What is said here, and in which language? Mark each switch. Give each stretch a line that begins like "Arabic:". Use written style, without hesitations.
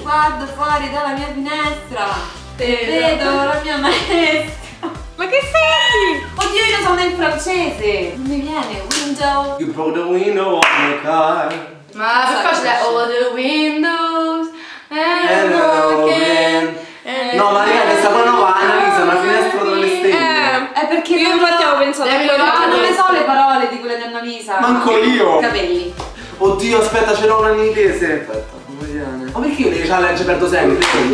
Italian: Guardo fuori dalla mia finestra vedo la mia maestra. Ma che senti? Oddio, io sono in francese. Non mi viene, window.
English: You broke the window on my car.
Italian: Ma è facile,
English: all the windows. Hello again.
Italian: No, ma raga, questa qua nuova, Annalisa, la finestra dove le stelle. È perché io infatti avevo pensato a quello. Ma non le so le parole di quella di Annalisa. Manco io. Capelli. Oddio, aspetta, ce l'ho una in inglese. Aspetta, come viene? Ma perché io le challenge perdo sempre?